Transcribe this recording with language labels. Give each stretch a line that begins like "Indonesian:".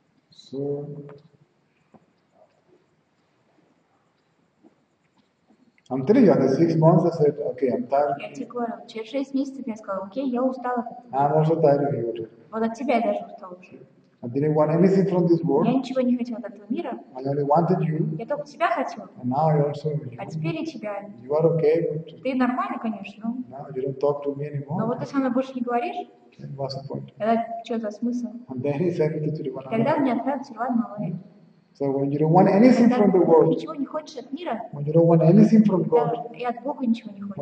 English: So, I'm telling you, after 6 months I said, okay, I'm tired.
Russian: Я тебе говорю, через 6 месяцев я сказала, окей, я устала.
English: I'm also tired of you.
Russian: Вот от тебя я даже устала уже.
English: I didn't want anything from this world.
Russian: Я ничего не хотела от этого мира.
English: I only wanted you.
Russian: Я только тебя хотела.
English: And now I also you.
Russian: А теперь я тебя.
English: You are okay.
Russian: Ты нормально, конечно.
English: No, you don't talk to me anymore.
Russian: Но вот ты со мной больше не говоришь.
English: And what's the point?
Russian: Тогда что за смысл?
English: And then he sent it to the one.
Russian: Когда мне отправят Тирван Малай.
English: So when you don't want anything from the world,
Russian: ничего не хочешь от мира,
English: when you don't want anything from God,
Russian: и от Бога ничего не хочешь,